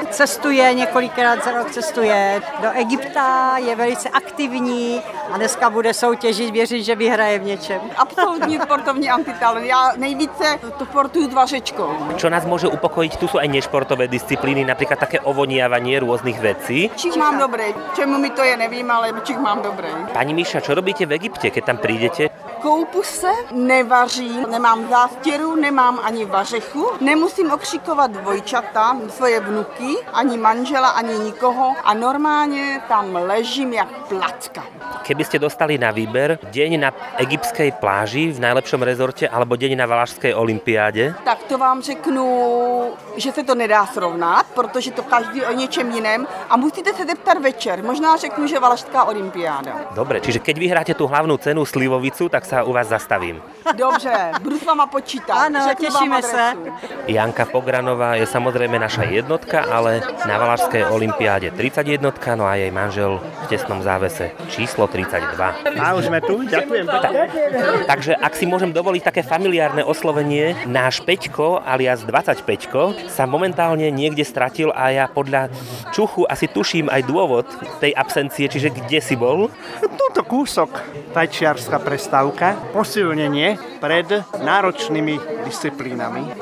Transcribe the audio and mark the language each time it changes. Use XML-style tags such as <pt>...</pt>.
<sk>Cestuje niekoľkrát za rok, cestuje do Egypta,</sk> <cs>je velice aktivní a dneska bude soutěžit, věřím, že vyhraje v něčem. Absolutní sportovní antitalent. Ja nejvíce sportuju s vařečkou.</cs> <sk>Čo nás môže upokojiť, tu sú aj nešportové disciplíny, napríklad také ovoniavanie rôznych vecí.</sk> <cs>Čich mám dobré, čemu mi to je, nevím, ale čich mám dobré.</cs> <sk>Pani Miša, čo robíte v Egypte, keď tam prídete?</sk> <cs>Koupu se, nevařím, nemám zástěru, nemám ani vařechu, nemusím okřikovat dvojčata, svoje vnuky, ani manžela, ani nikoho a normálně tam ležím jak placka.</cs> <sk>Keby ste dostali na výber deň na egyptskej pláži v najlepšom rezorte alebo deň na Valašskej olympiáde?</sk> <cs>Tak to vám řeknu, že se to nedá srovnat, protože to každý o něčem jiném a musíte se zeptat večer, možná řeknu, že Valašská olympiáda.</cs> <sk>Dobre, čiže keď vyhráte tú hlavnú cenu slivovicu, tak sa u vás zastavím.</sk> <cs>Dobře, budu s váma počítat. Ano, těšíme se.</cs> <sk>Janka Pogranová je samozřejmě naša jednotka, ale na Valašské olympiáde 31, no a jej manžel v těsnom závese číslo 32.</sk> <cs>A už jsme tu, ďakujem.</cs> <sk>Takže ak si môžem dovoliť také familiárne oslovenie, náš Peťko alias 25 sa momentálne niekde stratil a ja podľa čuchu asi tuším aj dôvod tej absencie, čiže kde si bol? Tuto kúsok, tajčiarská prestávka, posilnenie pred náročnými disciplínami.</sk>